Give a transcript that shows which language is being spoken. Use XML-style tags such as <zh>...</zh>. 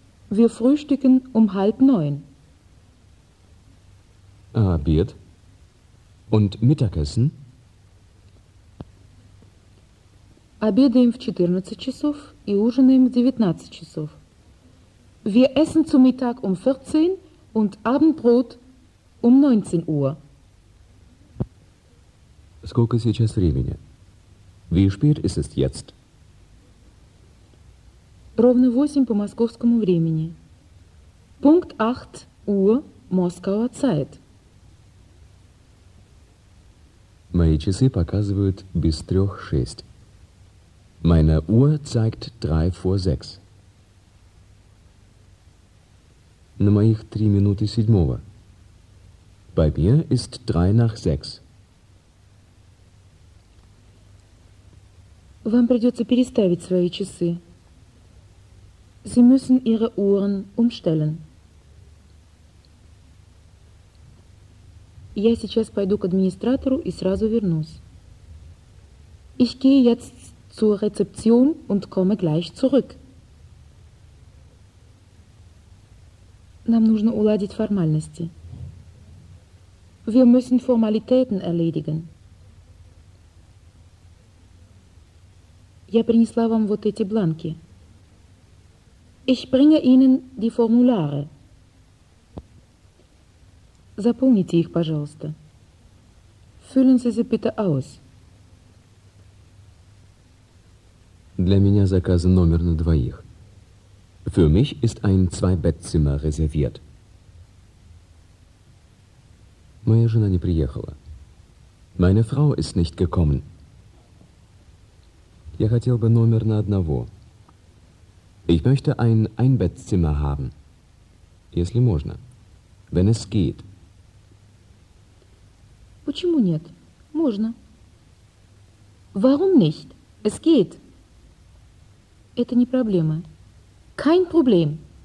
<de>Wir frühstücken um 8:30. Abend? Und Mittagessen?</de> <ru>Обедаем в 14 часов и ужинаем в 19 часов.</ru> <de>Wir essen zu Mittag um 14 und Abendbrot um 19 Uhr.</de> <ru>Сколько сейчас времени?</ru> <de>Wie spät ist es jetzt?</de> <ru>Ровно 8 по московскому времени.</ru> <de>Punkt 8 Uhr Moskauer Zeit.</de> <ru>Мои часы показывают без 3:06.</ru> <de>Meine Uhr zeigt 3:06.</de> <ru>На моих 3:07.</ru> <de>Bei mir ist 3:06.</de> <ru>Вам придется переставить свои часы.</ru> <de>Sie müssen Ihre Uhren umstellen.</de> <ru>Я сейчас пойду к администратору и сразу вернусь.</ru> <de>Ich gehe jetzt zur Rezeption und komme gleich zurück.</de> <ru>Нам нужно уладить формальности.</ru> <de>Wir müssen Formalitäten erledigen.</de> <ru>Я принесла вам вот эти бланки.</ru> <de>Ich bringe Ihnen die Formulare.</de> <ru>Заполните их, пожалуйста.</ru> <de>Füllen Sie sie bitte aus.</de> <ru>Для меня заказан номер на двоих.</ru> <de>Für mich ist ein Zwei-Bett-Zimmer reserviert.</de> <ru>Моя жена не приехала.</ru> <de>Meine Frau ist nicht gekommen.</de> <ru>Я хотел бы номер на одного.</ru> <de>Ich möchte ein Einbettzimmer haben.</de> <ru>Если можно.</ru> <de>Wenn es geht.</de> <ru>Почему нет? Можно.</ru> <de>Warum nicht? Es geht.</de> <ru>Это не проблема.</ru> <de>Kein Problem.</de>